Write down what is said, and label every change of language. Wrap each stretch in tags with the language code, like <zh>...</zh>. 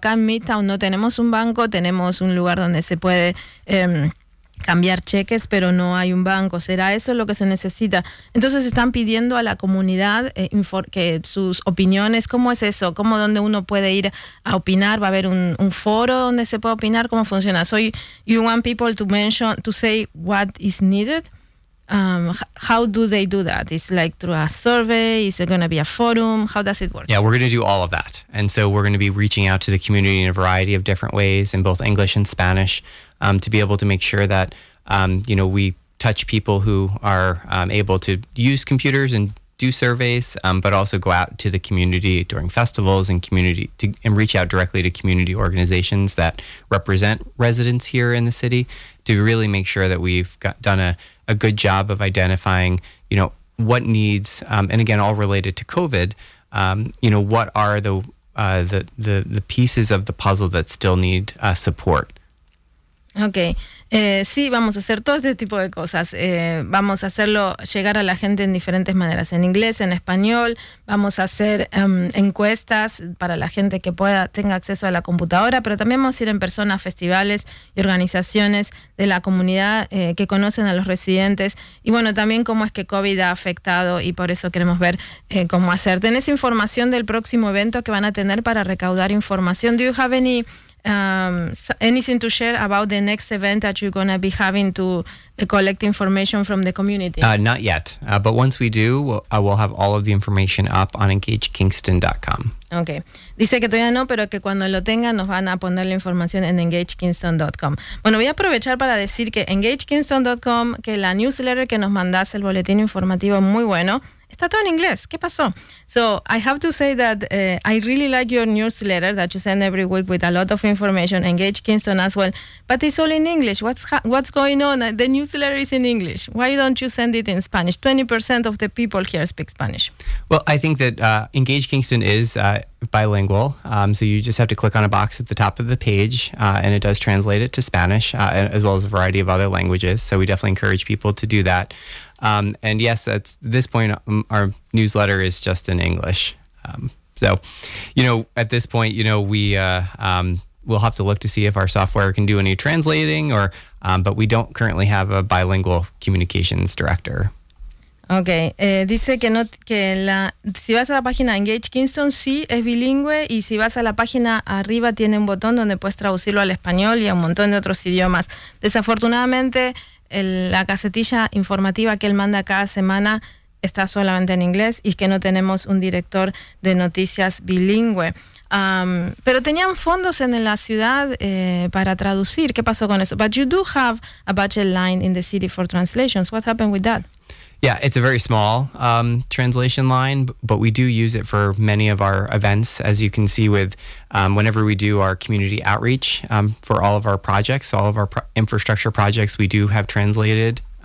<es>Acá en Midtown no tenemos un banco, tenemos un lugar donde se puede cambiar cheques, pero no hay un banco. ¿Será eso lo que se necesita? Entonces están pidiendo a la comunidad que sus opiniones, ¿cómo es eso? ¿Cómo, dónde uno puede ir a opinar? ¿Va a haber un foro donde se pueda opinar? ¿Cómo funciona?</es> <en>So you want people to mention, to say what is needed? How do they do that? Is it like through a survey? Is it going to be a forum? How does it work? Yeah, we're going to do all of that. And so we're going to be reaching out to the community in a variety of different ways in both English and Spanish. To be able to make sure that, you know, we touch people who are able to use computers and do surveys, but also go out to the community during festivals and community to, and reach out directly to community organizations that represent residents here in the city to really make sure that we've done a good job of identifying, you know, what needs, and again, all related to COVID, you know, what are the pieces of the puzzle that still need support.</en> <es>Ok, sí, vamos a hacer todo este tipo de cosas. Vamos a hacerlo llegar a la gente en diferentes maneras, en inglés, en español. Vamos a hacer encuestas para la gente que pueda tenga acceso a la computadora, pero también vamos a ir en persona a festivales y organizaciones de la comunidad que conocen a los residentes. Y bueno, también cómo es que COVID ha afectado y por eso queremos ver cómo hacer. ¿Tenés información del próximo evento que van a tener para recaudar información?</es> <en>¿Do you have any... anything to share about the next event that you're going to be having to collect information from the community? Not yet, but once we do, we'll have all of the information up on engagekingston.com.</en> <es>Ok, dice que todavía no, pero que cuando lo tengan nos van a poner la información en engagekingston.com. Bueno, voy a aprovechar para decir que engagekingston.com, que la newsletter que nos mandas, el boletín informativo, muy bueno. Está todo en inglés. ¿Qué pasó?</es> <en>So I have to say that I really like your newsletter that you send every week with a lot of information. Engage Kingston as well, but it's all in English. What's going on? The newsletter is in English. Why don't you send it in Spanish? 20% of the people here speak Spanish. Well, I think that Engage Kingston is bilingual, so you just have to click on a box at the top of the page, and it does translate it to Spanish as well as a variety of other languages. So we definitely encourage people to do that. And yes, at this point, our newsletter is just in English. So, you know, at this point, you know, we'll have to look to see if our software can do any translating or, but we don't currently have a bilingual communications director. Okay.</en> <es>Dice que no, que la, si vas a la página Engage Kingston, sí, es bilingüe, y si vas a la página arriba, tiene un botón donde puedes traducirlo al español y a un montón de otros idiomas. Desafortunadamente, la casetilla informativa que él manda cada semana está solamente en inglés y es que no tenemos un director de noticias bilingüe. Pero tenían fondos en la ciudad para traducir. ¿Qué pasó con eso?</es> <en>But you do have a budget line in the city for translations. What happened with that? Yeah, it's a very small translation line, but we do use it for many of our events, as you can see with whenever we do our community outreach for all of our projects, all of our infrastructure projects, we do have translated.</en>